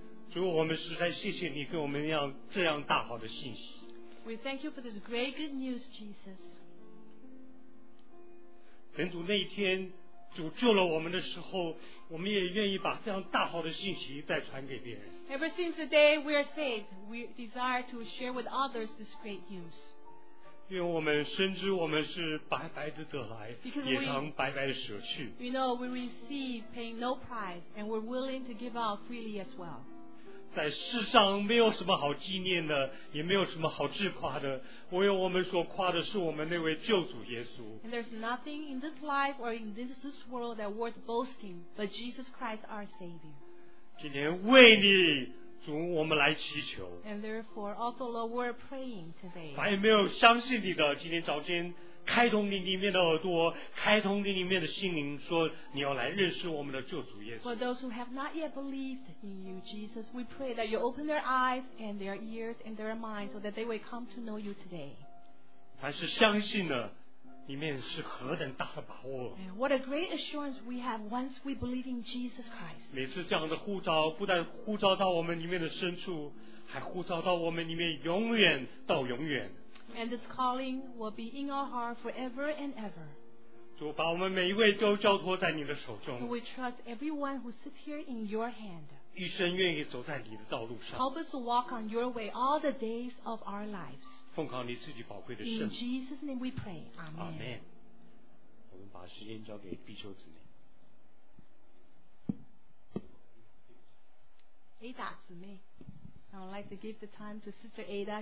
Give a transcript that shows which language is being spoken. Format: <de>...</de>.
<zh>主，我们实在谢谢你给我们这样大好的信息。</zh> <en>We thank you for this great good news, Jesus.</en> <zh>本主那一天主救了我们的时候，我们也愿意把这样大好的信息再传给别人。</zh> <en>Ever since the day we are saved, we desire to share with others this great news.</en> <zh>因为我们深知我们是白白的得来，也常白白的舍去。</zh> <en>We know we receive paying no price, and we're willing to give out freely as well.</en> <zh>在世上没有什么好纪念的，也没有什么好自夸的，唯有我们所夸的是我们那位救主耶稣。</zh> <en>And there's nothing in this life or in this world that worth boasting but Jesus Christ our Savior.</en> <zh>今天为你主我们来祈求。</zh> <en>And therefore also Lord we're praying today.</en> <zh>凡没有相信你的，今天早间开通你里面的耳朵，开通你里面的心灵，说你要来认识我们的救主耶稣。</zh> <en>For those who have not yet believed in you, Jesus, we pray that you open their eyes and their ears and their minds so that they will come to know you today.</en> <zh>凡是相信的，里面是何等大的把握。</zh> <en>And what a great assurance we have once we believe in Jesus Christ.</en> <zh>每次这样的呼召，不但呼召到我们里面的深处，还呼召到我们里面永远到永远。</zh> <en>And this calling will be in our heart forever and ever.</en> <zh>主把我们每一位都交托在你的手中。</zh> <en>So we trust everyone who sits here in your hand.</en> <zh>一生愿意走在你的道路上。</zh> <en>Help us to walk on your way all the days of our lives.</en> <zh>奉靠你自己宝贵的圣</zh> <en>名。In Jesus' name we pray. Amen. Amen.</en> <zh>我们把时间交给必修姊妹。</zh> <en>Ada 姊妹， I would like to give the time to Sister Ada.</en>